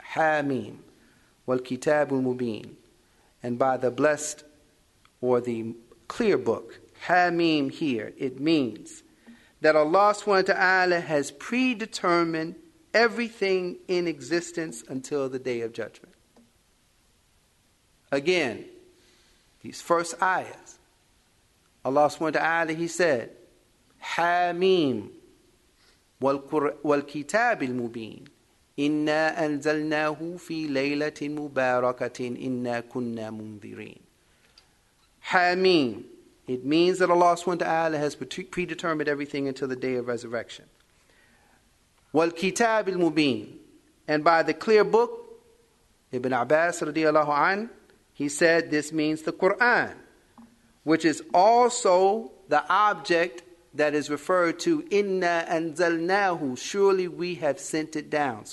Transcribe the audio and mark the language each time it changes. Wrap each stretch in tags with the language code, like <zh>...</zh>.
<en>Hamim, wal-kitabul mubin, and by the blessed or the clear book, Hamim here, it means that Allah SWT has predetermined everything in existence until the day of judgment. Again, these first ayahs, Allah SWT, he said, Hamim,</en> <ar>والكتاب المبين إنا أنزلناه في ليلة مباركة إنا كنا منذرين. حميم.</ar> <en>It means that Allah SWT has predetermined everything until the day of resurrection.</en> <ar>والكتاب المبين.</ar> <en>And by the clear book, Ibn Abbas</en> <ar>رضي الله عنه,</ar> <en>he said this means the Quran, which is also the object that is referred to, Inna anzalnahu, surely we have sent it down.</en>